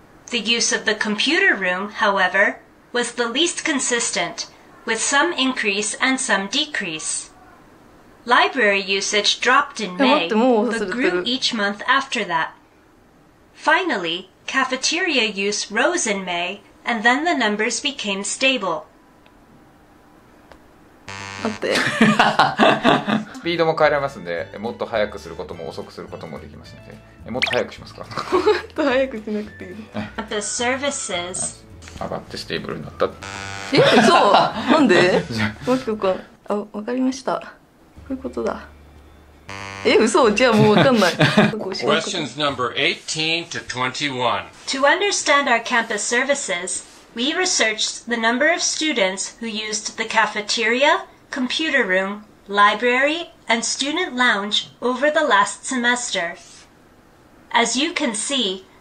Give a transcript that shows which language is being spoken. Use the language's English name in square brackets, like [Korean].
[English] The use of the computer room, however, was the least consistent, with some increase and some decrease. Library usage dropped in May, but grew each month after that. Finally, cafeteria use rose in May, and then the numbers became stable. [Japanese] スピードも変えられますんで、もっと早くすることも遅くすることもできますので、もっと早くしますか。もっと早くしなくていい。 [English] The services [Japanese] 上がってステーブルになった。そう。なんで？もう一個か。あ、わかりました。こういうことだ。嘘。じゃあもうわかんない。 [English] Questions number 18 to 21. To understand our campus services, we researched the number of students who used the cafeteria, computer room, library, and student lounge over the last semester. As you can see,